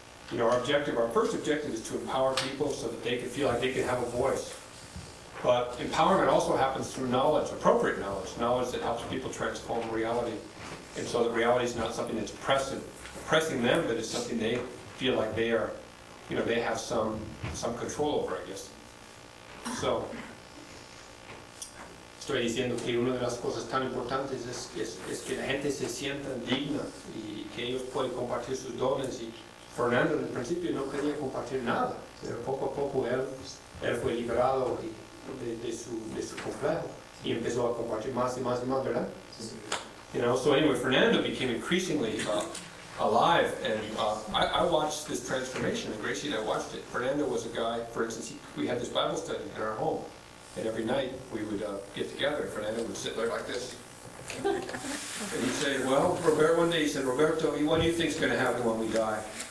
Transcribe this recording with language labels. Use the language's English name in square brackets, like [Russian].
[English] You know, our first objective is to empower people so that they can feel like they can have a voice. But empowerment also happens through knowledge, appropriate knowledge, knowledge that helps people transform reality. And so the reality is not something that's oppressive, oppressing them, but it's something they feel like they are you know, they have some control over, I guess. [Spanish] So, estoy diciendo que una de las cosas tan importantes es que la gente se sienta digna y que ellos pueden compartir sus dones. Y Fernando, en el principio, no quería compartir nada, pero poco a poco él fue liberado de su complejo y empezó a compartir más y más y más, ¿verdad? Sí. [English] You know, so anyway, Fernando became increasingly alive, and I watched this transformation, and Gracie and I watched it. Fernando was a guy, for instance, we had this Bible study in our home, and every night we would get together, and Fernando would sit there like this. And he'd say, well, Roberto, one day he said, Roberto, what do you think is going to happen when we die?